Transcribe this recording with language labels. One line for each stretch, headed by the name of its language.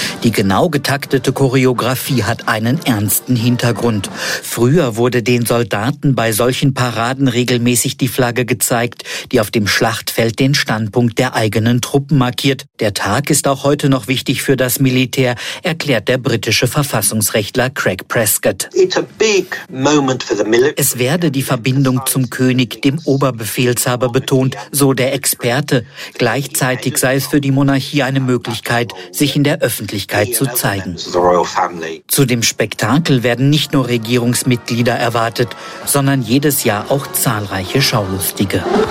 German: Die genau getaktete Choreografie hat einen ernsten Hintergrund. Früher wurde den Soldaten bei solchen Paraden regelmäßig die Flagge gezeigt, die auf dem Schlachtfeld den Standpunkt der eigenen Truppen markiert. Der Tag ist auch heute noch wichtig für das Militär, erklärt der britische Verfassungsrechtler Craig Prescott.
English: It's a big moment for the military.
German: Es werde die Verbindung zum König, dem Oberbefehlshaber, betont, so der Experte. Gleichzeitig sei es für die Monarchie eine Möglichkeit, sich in der Öffentlichkeit zu zeigen. Zu dem Spektakel werden nicht nur Regierungsmitglieder erwartet, sondern jedes Jahr auch zahlreiche Schaulustige.